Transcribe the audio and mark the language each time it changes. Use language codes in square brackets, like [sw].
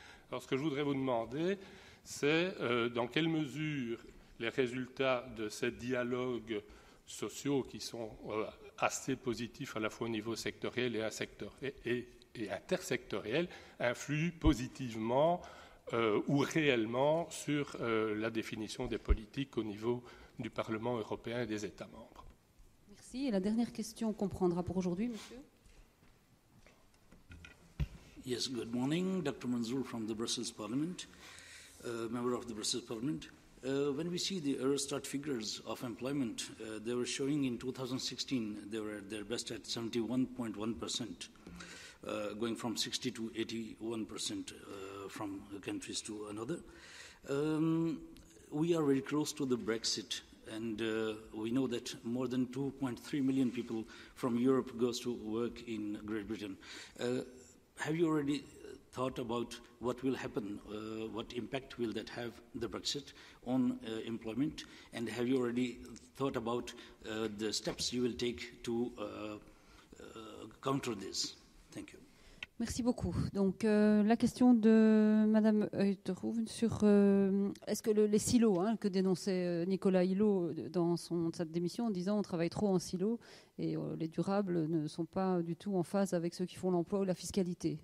[fr] Alors, ce que je voudrais vous demander, c'est dans quelle mesure les résultats de ces dialogues sociaux, qui sont assez positifs à la fois au niveau sectoriel et intersectoriel, influent positivement ou réellement sur la définition des politiques au niveau du Parlement européen et des États membres. Et la dernière question qu'on prendra pour aujourd'hui, monsieur. [en] Yes, good morning. Dr. Manzoor from the Brussels Parliament, member of the Brussels Parliament. When we see the Eurostat figures of employment, they were showing in 2016, they were at their best at 71.1%, going from 60 to 81% from countries to another. We are very close to the Brexit. And we know that more than 2.3 million people from Europe goes to work in Great Britain. Have you already thought about what will happen, what impact will that have, the Brexit, on employment? And have you already thought about the steps you will take to counter this? Thank you. [fr] Merci beaucoup. Donc, la question de Madame Heuterhoven sur est-ce que les silos que dénonçait Nicolas Hulot dans sa démission en disant on travaille trop en silos et les durables ne sont pas du tout en phase avec ceux qui font l'emploi ou la fiscalité.